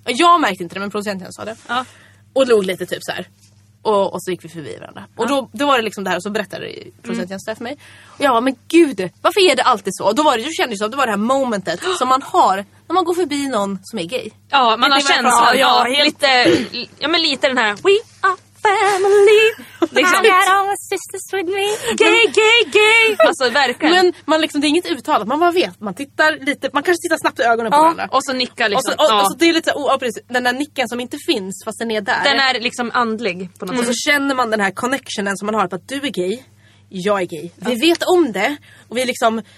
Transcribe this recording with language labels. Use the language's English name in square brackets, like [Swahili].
[Swedish] Jag märkte inte det, men producenten sa det. Ja. Och log lite typ så här. Och så gick vi förbi varandra. Och då var det liksom det här, och så berättade producent Jens för mig. Och jag bara, men gud, varför är det alltid så? Och då kände jag det här momentet som man har när man går förbi någon som är gay. Ja, man har känslan. Ja, lite den här, [English] we are family. [Swedish] Liksom. [English] I got all my sisters with me. [Swedish] Gay. Alltså, verkligen. Men man liksom, det är inget uttalat. Man bara vet, man tittar lite, man kanske tittar snabbt i ögonen på varandra. Och så nickar liksom. Och så det är lite precis, den där nicken som inte finns fast den är där. Den är liksom andlig på något sätt. Och så känner man den här connectionen som man har på att du är gay, jag är gay. Vi vet om det, och vi liksom